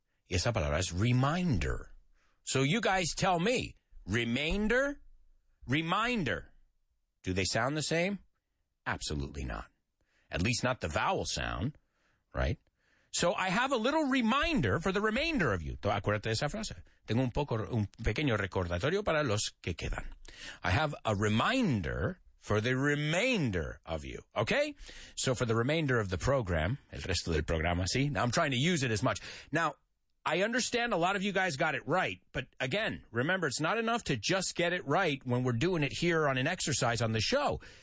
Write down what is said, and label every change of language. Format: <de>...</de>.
<es>Y esa palabra es</es> <en>reminder. So you guys tell me, remainder, reminder. Do they sound the same? Absolutely not. At least not the vowel sound, right? So I have a little reminder for the remainder of you.</en> <es>Acuérdate de esa frase. Tengo un pequeño recordatorio para los que quedan.</es> <en>I have a reminder for the remainder of you, okay? So for the remainder of the program,</en> <es>el resto del programa,</es> <en>¿sí? Now I'm trying to use it as much. Now, I understand a lot of you guys got it right, but again, remember, it's not enough to just get it right when we're doing it here on an exercise on the show.</en>